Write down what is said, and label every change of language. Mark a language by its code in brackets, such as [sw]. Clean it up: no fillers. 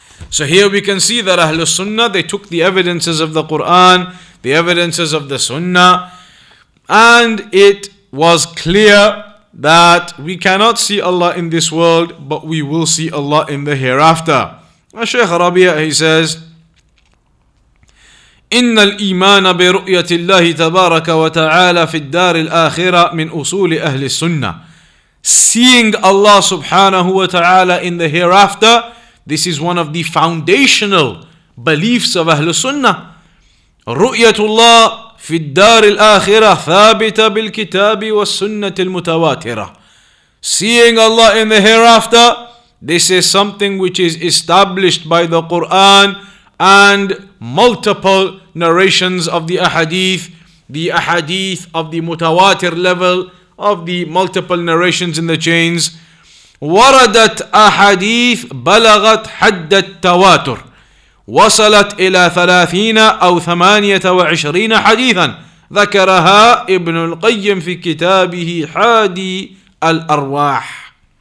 [en] So here we can see that Ahlus Sunnah, they took the evidences of the Quran, the evidences of the Sunnah, and it was clear that we cannot see Allah in this world, but we will see Allah in the hereafter. And Shaykh Rabee, he says, [ar] إن الإيمان برؤية الله تبارك وتعالى في الدار الآخرة من أصول أهل السنة. [en] Seeing Allah [ar] سبحانه وتعالى [en] in the hereafter, this is one of the foundational beliefs of أهل السنة. [ar] رؤية الله في الدار الآخرة ثابتة بالكتاب والسنة المتواترة. [en] Seeing Allah in the hereafter, this is something which is established by the Quran and multiple narrations of the ahadith of the mutawatir level, of the multiple narrations in the chains. [ar] وردت أحاديث بلغت حد التواتر وصلت إلى 30 أو 28 حديثا ذكرها ابن القيم في كتابه حادي الأرواح.